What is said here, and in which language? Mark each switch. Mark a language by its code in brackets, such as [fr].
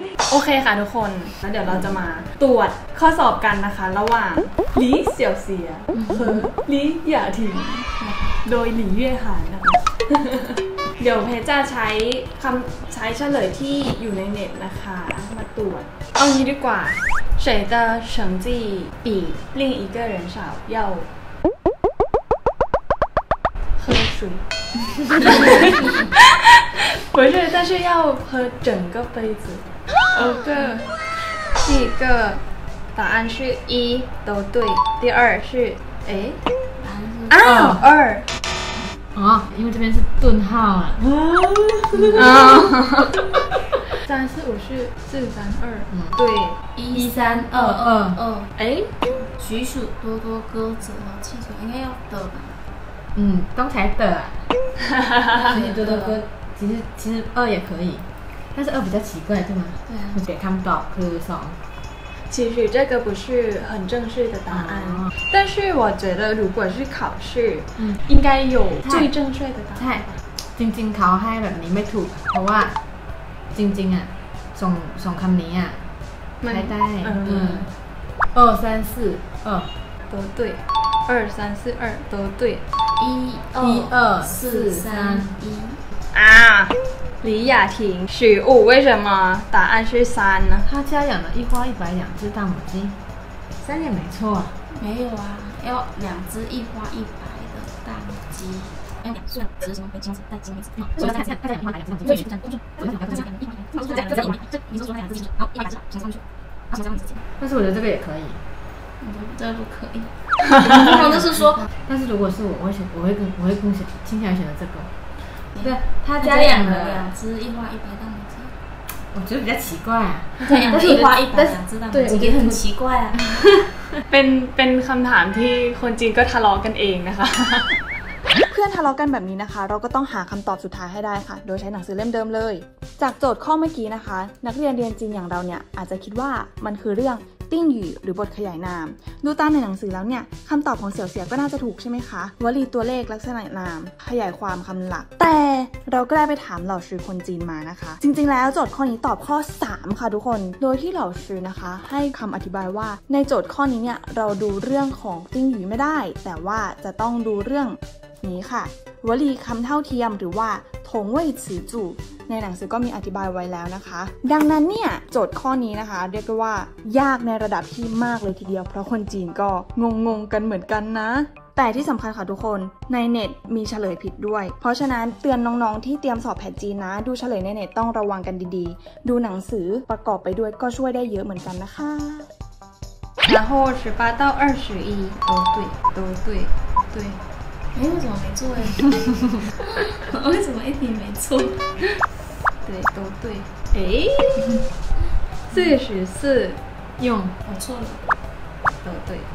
[th] โอเคค่ะทุกคนแล้วเดี๋ยวเราจะมาตรวจข้อสอบกันนะคะระหว่างหลีเสี่ยวเสียเหอหลีหย่าถิงโดยหลีเย่หานนะคะเดี๋ยวเพจจะใช้คำใช้เฉลยที่อยู่ในเน็ตนะคะมาตรวจเอางี้ดีกว่า [zh] 谁的成绩比另一个人少要喝水不是但是要喝整个杯子好的第一个答案是一都对第二是诶答案是二因为这边是顿号啊三四五是四三二对一三二二诶举手多多歌词和气球应该要的刚才的啊举手多多歌其实二也可以但是二比较奇怪对吗对啊给他们答可是2 其实这个不是很正式的答案但是我觉得如果是考试应该有最正确的答案 [th] ใช่จริงๆเขาให้แบบนี้ไม่ถูกเพราะว่าจริงๆอ่ะส่งคำนี้อ่ะใช้ได้ [zh] 二三四二都对二三四二都对一二四三一李雅婷许五为什么答案是三呢他家养了一花一白两只大母鸡三也没错啊没有啊要两只一花一白的大母鸡但是我觉得这个也可以我觉得这不可以哈哈那是说但是如果是我会更倾向选择这个对他家养了两只一花一白大母鸡我觉得比较奇怪啊对但是一花一白两只大母鸡也很奇怪啊 [th] เป็นคำถามที่คนจีนก็ทะเลาะกันเองนะคะเพื่อนทะเลาะกันแบบนี้นะคะเราก็ต้องหาคำตอบสุดท้ายให้ได้ค่ะโดยใช้หนังสือเล่มเดิมเลยจากโจทย์ข้อเมื่อกี้นะคะนักเรียนเรียนจีนอย่างเราเนี่ยอาจจะคิดว่ามันคือเรื่อง 定语หรือบทขยายนามดูตามในหนังสือแล้วเนี่ยคำตอบของเสี่ยวเสี่ยก็น่าจะถูกใช่ไหมคะวลีตัวเลขลักษณะนามขยายความคำหลักแต่เราก็ได้ไปถามเหล่าชื่อคนจีนมานะคะจริงๆแล้วโจทย์ข้อนี้ตอบข้อ3ค่ะทุกคนโดยที่เหล่าชื่อนะคะให้คำอธิบายว่าในโจทย์ข้อนี้เนี่ยเราดูเรื่องของติ้งหยูไม่ได้แต่ว่าจะต้องดูเรื่อง นี้ค่ะวลีคำเท่าเทียมหรือว่าทงเว่ยซือจู่ในหนังสือก็มีอธิบายไว้แล้วนะคะดังนั้นเนี่ยโจทย์ข้อนี้นะคะเรียกว่ายากในระดับที่มากเลยทีเดียวเพราะคนจีนก็งงๆกันเหมือนกันนะแต่ที่สำคัญค่ะทุกคนในเน็ตมีเฉลยผิดด้วยเพราะฉะนั้นเตือนน้องๆที่เตรียมสอบแผ่นจีนนะดูเฉลยในเน็ตต้องระวังกันดีๆดูหนังสือประกอบไปด้วยก็ช่วยได้เยอะเหมือนกันนะคะ [zh] 然后十八到二十一都对都对对哎，我怎么没做哎？我为什么一题没做？对，都对。哎，四十四，用我错了。都对，